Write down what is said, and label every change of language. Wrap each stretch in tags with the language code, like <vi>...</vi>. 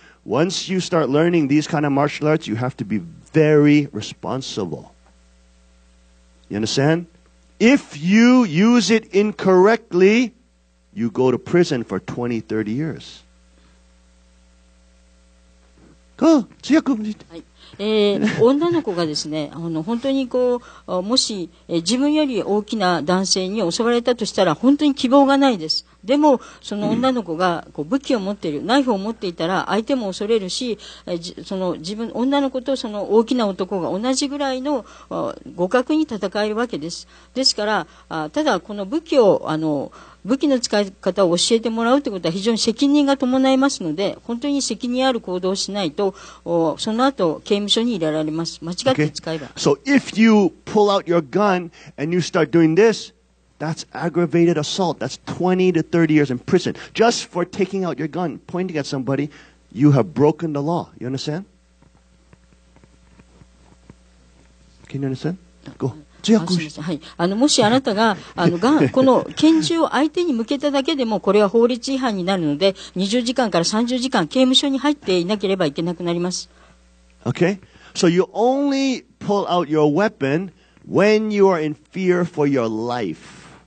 <en>Once you start learning these kind of martial arts, you have to be very responsible. You understand? If you use it incorrectly, you go to prison for 20, 30 years.</en> <ja>Go, 強く見て。はい。女の子がですね、本当にこう、もし、自分より大きな男性に襲われたとしたら、本当に希望がないです。でも、その女の子がこう武器を持っている、ナイフを持っていたら、相手も恐れるし、その自分、女の子とその大きな男が同じぐらいの互角に戦えるわけです。ですから、ただ、この武器を、武器の使い方を教えてもらうということは非常に責任が伴いますので、本当に責任ある行動をしないと、その後刑務所に入れられます。間違って使えば。</ja> <en>So if you pull out your gun and you start doing this, that's aggravated assault. That's 20 to 30 years in prison. Just for taking out your gun, pointing at somebody, you have broken the law. You understand? Can you understand? Go.</en> <ja>もしあなたが、がこの拳銃を相手に向けただけでもこれは法律違反になるので20時間から30時間刑務所に入っていなければいけなくなります。</ja> <en>Okay, so you only pull out your weapon when you are in fear for your life.</en>